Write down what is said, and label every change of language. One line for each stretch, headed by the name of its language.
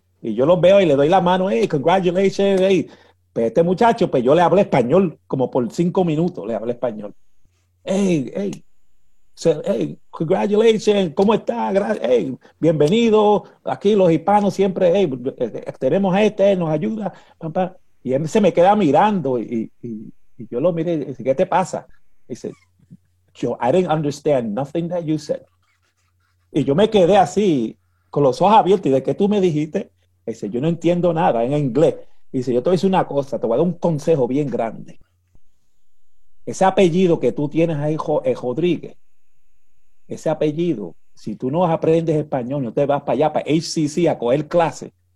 Spanish: Y yo los veo y le doy la mano,
English: hey, congratulations.
Spanish: Hey. Pero este muchacho, pues yo le hablé español como por 5 minutos, le hablé español. Hey.
English: So, hey, congratulations,
Spanish: ¿cómo está? Hey, bienvenido, aquí los hispanos siempre, hey, tenemos nos ayuda, pam, pam. Y él se me queda mirando y yo lo miré, y dice, ¿qué te pasa? Y dice,
English: I didn't understand nothing that you said.
Spanish: Y yo me quedé así, con los ojos abiertos, y de qué tú me dijiste, y dice, yo no entiendo nada en inglés. Y dice, yo te voy a decir una cosa, te voy a dar un consejo bien grande. Ese apellido que tú tienes ahí, Rodríguez, ese apellido, si tú no aprendes español, no te vas para allá, para HCC, a coger clase.